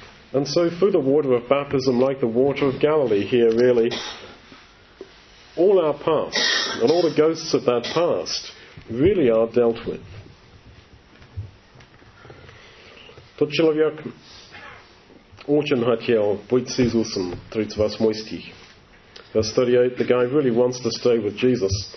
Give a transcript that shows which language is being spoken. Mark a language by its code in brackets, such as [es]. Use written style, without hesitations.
[en] And so through the water of baptism, like the water of Galilee here really, all our past and all the ghosts of that past really are dealt with. [ru] Тот человек очень хотел быть с Иисусом, 38 стих. [en] Verse 38, the guy really wants to stay with Jesus.